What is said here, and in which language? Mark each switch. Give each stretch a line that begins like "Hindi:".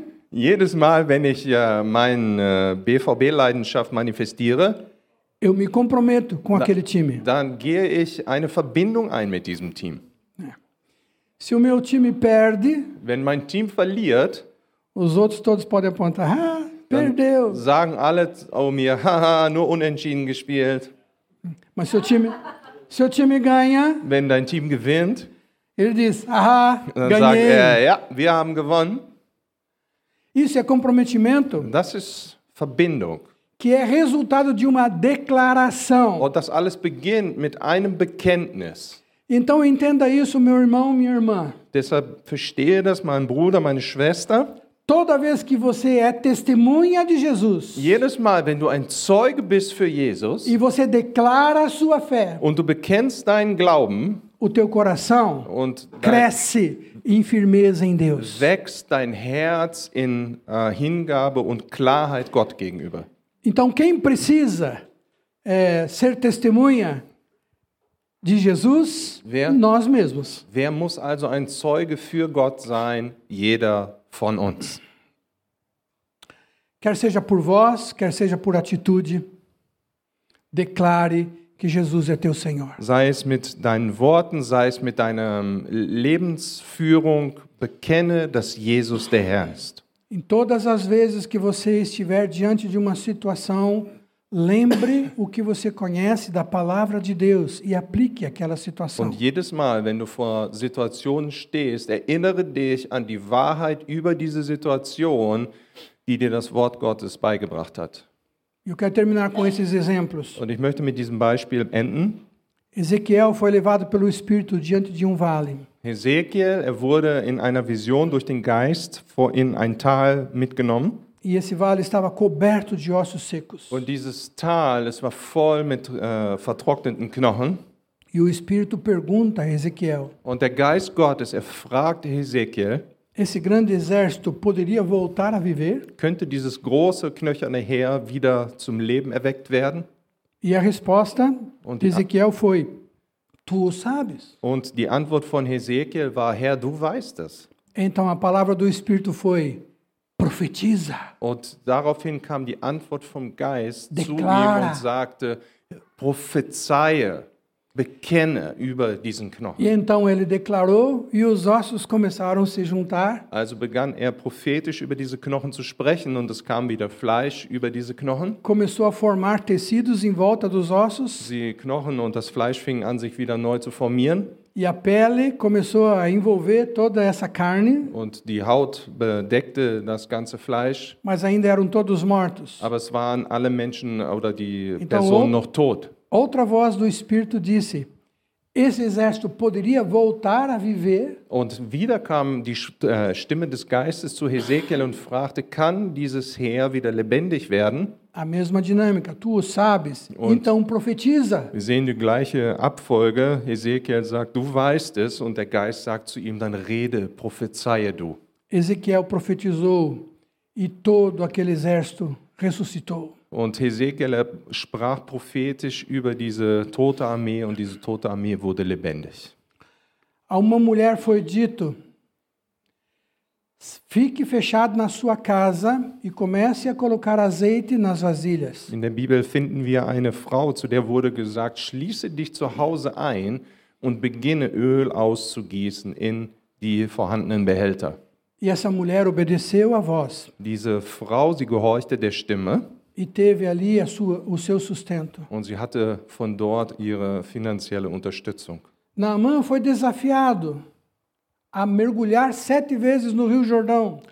German: jedes Mal, wenn ich meine BVB-Leidenschaft manifestiere,
Portuguese: eu me comprometo com aquele time.
German: Dann gehe ich eine Verbindung ein mit diesem Team.
Portuguese: Se o meu time perde,
German: wenn mein Team verliert,
Portuguese: os outros todos podem apontar, perdeu.
German: Sagen alle um mir, nur unentschieden gespielt.
Portuguese: Mas seu time ganha,
German: wenn dein Team gewinnt,
Portuguese: ele diz, ganhei.
German: Dann sagt er, ja, wir haben gewonnen.
Portuguese: Isso é comprometimento.
German: Das ist Verbindung.
Portuguese: Que é resultado de uma declaração.
German: Und das alles beginnt mit einem Bekenntnis.
Portuguese: Então entenda isso, meu irmão, minha irmã.
German: Deshalb verstehe das, mein Bruder, meine Schwester.
Portuguese: Toda vez que você é testemunha de Jesus.
German: Jedes Mal, wenn du ein Zeuge bist für Jesus.
Portuguese: E você declara a sua fé.
German: Und du bekennst deinen Glauben.
Portuguese: O teu coração cresce em firmeza em Deus.
German: Wächst dein Herz in Hingabe und Klarheit Gott gegenüber.
Portuguese: Então quem precisa ser testemunha de Jesus? Nós mesmos.
German: Wer muss also ein Zeuge für Gott sein? Jeder von uns.
Portuguese: Quer seja por voz, quer seja por atitude, declare que Jesus é teu Senhor.
German: Sei es mit deinen Worten, sei es mit deiner Lebensführung, bekenne, dass Jesus der Herr ist.
Portuguese: Em todas as vezes que você estiver diante de uma situação, lembre o que você conhece da palavra de Deus e aplique aquela situação.
German: Und jedes Mal, wenn du vor Situationen stehst, erinnere dich an die Wahrheit über diese Situation, die dir das Wort Gottes beigebracht hat.
Portuguese: Eu quero terminar com esses exemplos.
German: Und ich möchte mit diesem Beispiel enden.
Portuguese: Ezequiel foi levado pelo Espírito diante de vale.
German: Ezequiel, wurde in einer Vision durch den Geist in ein Tal mitgenommen.
Portuguese: E esse vale estava coberto de ossos secos.
German: Und dieses Tal, es war voll mit vertrockneten Knochen.
Portuguese: E o Espírito pergunta a Ezequiel.
German: Und der Geist Gottes, fragte Ezequiel.
Portuguese: Esse grande exército poderia voltar a viver?
German: Könnte dieses große knöcherne Heer wieder zum Leben erweckt werden?
Portuguese: E a resposta de Ezequiel foi: Tu o sabes.
German: Und die Antwort von Ezequiel war: Herr, du weißt es.
Portuguese: Então a palavra do Espírito foi: Profetiza.
German: Und daraufhin kam die Antwort vom Geist
Portuguese: declara.
German: Zu ihm und sagte: Prophezeie. Bekenne über diesen Knochen.
Portuguese: E então ele declarou e os ossos começaram a se juntar.
German: Also begann prophetisch über diese Knochen zu sprechen und es kam wieder Fleisch über diese Knochen.
Portuguese: Começou a formar tecidos em volta dos ossos.
German: Die Knochen und das Fleisch fingen an sich wieder neu zu formieren.
Portuguese: E a pele começou a envolver toda essa carne.
German: Und die Haut bedeckte das ganze Fleisch.
Portuguese: Mas ainda eram todos mortos.
German: Aber es waren alle Menschen oder die
Portuguese: então,
German: Personen noch tot.
Portuguese: Outra voz do Espírito disse: Esse exército poderia voltar a viver?
German: Und wieder kam die Stimme des Geistes zu Ezequiel und fragte: Kann dieses Heer wieder lebendig werden?
Portuguese: A mesma dinâmica, tu o sabes,
German: und
Portuguese: então profetiza.
German: Wir sehen die gleiche Abfolge. Ezequiel sagt: Du weißt es, und der Geist sagt zu ihm: Dann rede, prophezeie du.
Portuguese: Ezequiel profetizou E todo aquele exército ressuscitou.
German: Und Hesekiel sprach prophetisch über diese tote Armee und diese tote Armee wurde lebendig.
Portuguese: A uma mulher foi dito: Fique fechado na sua casa e comece a colocar azeite nas vasilhas.
German: In der Bibel finden wir eine Frau, zu der wurde gesagt: Schließe dich zu Hause ein und beginne Öl auszugießen in die vorhandenen Behälter.
Portuguese: E essa mulher obedeceu à voz.
German: Diese Frau, sie gehorchte der Stimme.
Portuguese: E teve ali a sua, o seu sustento.
German: Und sie hatte von dort ihre finanzielle Unterstützung.
Portuguese: Naamã foi desafiado a mergulhar 7 vezes no Rio Jordão.